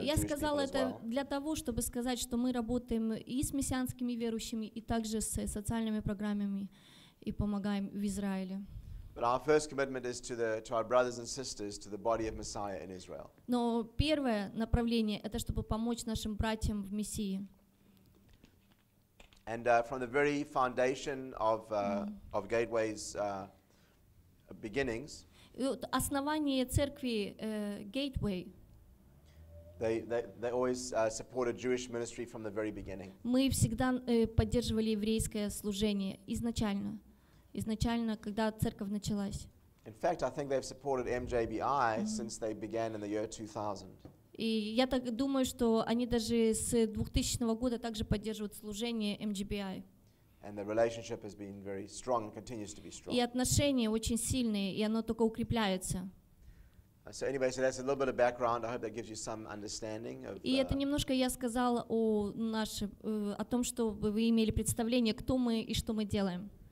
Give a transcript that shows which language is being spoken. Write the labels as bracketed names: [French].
[Russian] Я сказала это для того, чтобы сказать, что мы работаем и с мессианскими верующими, и также с социальными программами, и помогаем в Израиле. [English] But our first commitment is to our brothers and sisters, to the body of Messiah in Israel. [Russian] Но первое направление это чтобы помочь нашим братьям в Мессии. [English] And from the very foundation of of Gateway's beginnings. [Russian] Основание церкви Gateway. [English] They always supported Jewish ministry from the very beginning. [Russian] Мы всегда поддерживали еврейское служение изначально. Изначально, когда церковь началась. [English] In fact, I think they've supported MJBI since they began in the year 2000. [Russian] И я так думаю, что они даже с 2000 года также поддерживают служение MGBI. [English] And the relationship has been very strong and continues to be strong. [Russian] И отношения очень сильные, и оно только укрепляется. [English] So anyway, so that's a little bit of background. I hope that gives you some understanding of. [Russian] И это немножко я сказала о нашем, о том, что вы имели представление, кто мы и что мы делаем.